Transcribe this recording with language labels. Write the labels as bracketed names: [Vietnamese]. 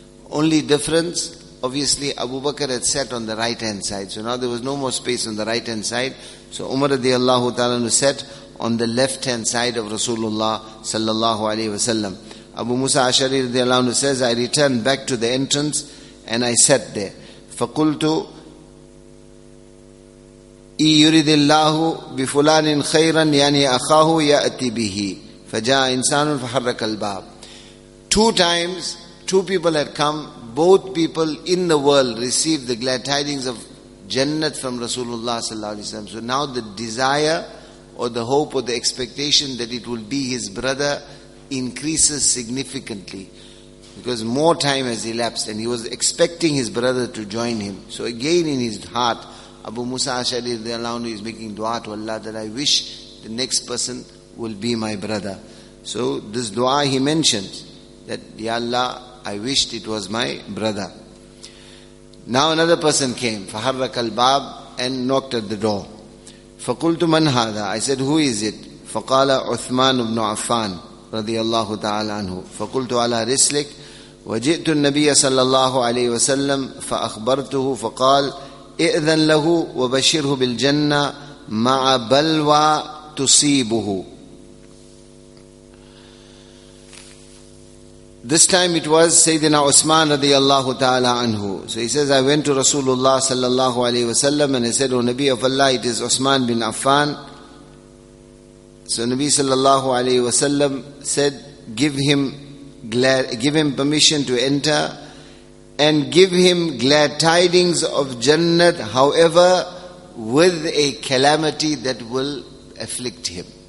[English] Only difference, obviously, Abu Bakr had sat on the right hand side. So now there was no more space on the right hand side. So Umar radiallahu ta'ala sat on the left hand side of Rasulullah sallallahu alaihi wasallam. Abu Musa Ashari radiallahu anhu says, I returned back to the entrance and I sat there. [Arabic] Fakultu, إي يريد الله بفلان خيرا يعني أخاه يأتي به فجاء إنسان فحرك الباب. [English] Two times, two people had come, both people in the world received the glad tidings of Jannat from Rasulullah sallallahu alaihi wasallam. So now the desire or the hope or the expectation that it will be his brother increases significantly, because more time has elapsed and he was expecting his brother to join him. So again in his heart, Abu Musa Ash'ari radiallahu anhu is making dua to Allah that I wish the next person will be my brother. So this dua he mentions that, Ya Allah, I wished it was my brother. Now another person came, [Arabic] فحرك الباب, [English] and knocked at the door. [Arabic] فقلت من هذا, [English] I said, who is it? [Arabic] فقال عثمان بن عفان رضي الله تعالى عنه. فقلت على رسلك وجئت النبي صلى الله عليه وسلم فأخبرته فقال إذن له وبشره بالجنة مع بلوى تصيبه. [English] This time it was Sayyidina Uthman radiallahu ta'ala anhu. So he says, I went to Rasulullah sallallahu alayhi wa sallam and I said, O Nabi of Allah, it is Uthman bin Affan. So Nabi sallallahu alayhi wa sallam said, give him permission to enter and give him glad tidings of Jannat, however, with a calamity that will afflict him.